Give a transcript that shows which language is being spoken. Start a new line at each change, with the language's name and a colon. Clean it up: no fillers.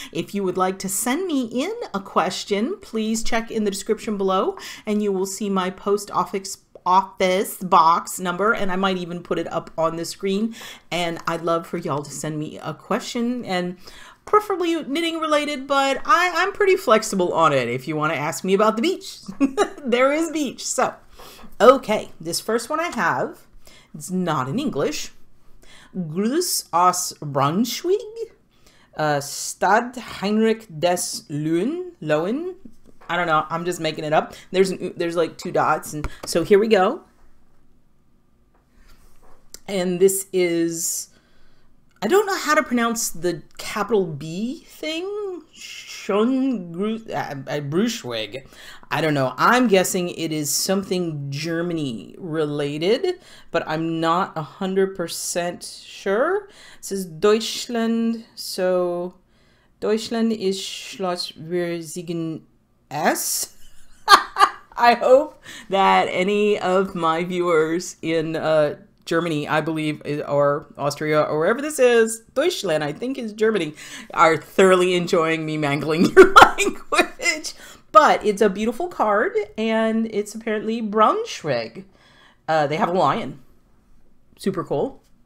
English: If you would like to send me in a question, please check in the description below and you will see my post office box number and I might even put it up on the screen. And I'd love for y'all to send me a question and preferably knitting related, but I'm pretty flexible on it. If you wanna ask me about the beach, there is beach. So, okay, this first one I have, it's not in English.
German: Gruß aus Braunschweig, Stad Heinrich des Lohen.
English: I don't know, I'm just making it up. There's like 2 dots, and so here we go. And this is, I don't know how to pronounce the capital B thing. Braunschweig. I don't know. I'm guessing it is something Germany related, but I'm not 100% sure. It says Deutschland.
German: So Deutschland ist Schleswig-Holstein.
English: I hope that any of my viewers in Germany, I believe, or Austria, or wherever this is, Deutschland, I think is Germany, are thoroughly enjoying me mangling your language. But it's a beautiful card, and it's apparently Braunschweig. They have a lion. Super cool.